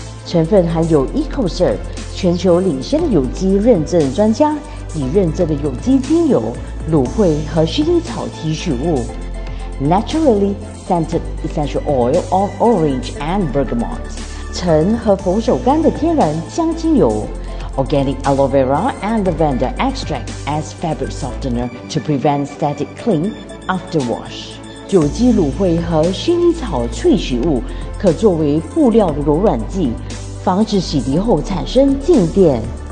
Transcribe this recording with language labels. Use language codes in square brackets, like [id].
[zh] 成分含有 EcoCert, 全球领先的有机认证专家，已认证的有机精油、芦荟和薰衣草提取物。 [en] Naturally scented essential oil of orange and bergamot. [zh] 橙和佛手柑的天然香精油。 [en] Organic aloe vera and lavender extract as fabric softener to prevent static cling after wash. [zh] 有机芦荟和薰衣草萃取物可作为布料的柔软剂，防止洗涤后产生静电。